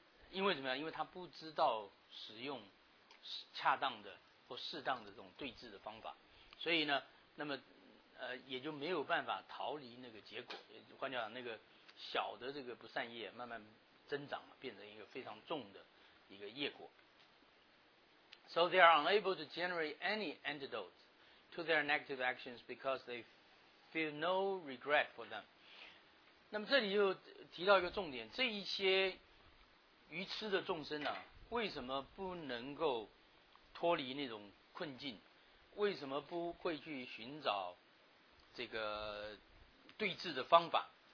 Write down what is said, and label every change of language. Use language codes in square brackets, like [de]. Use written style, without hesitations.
[zh] 因为怎么样？因为他不知道使用恰当的或适当的这种对治的方法，所以呢，那么也就没有办法逃离那个结果。换句话讲，那个小的这个不善业慢慢增长了，变成一个非常重的一个业果。 [en] So they are unable to generate any antidotes to their negative actions because they feel no regret for them. [zh] 那么这里就提到一个重点，这一些愚痴的众生啊，为什么不能够脱离那种困境？为什么不会去寻找这个对治的方法？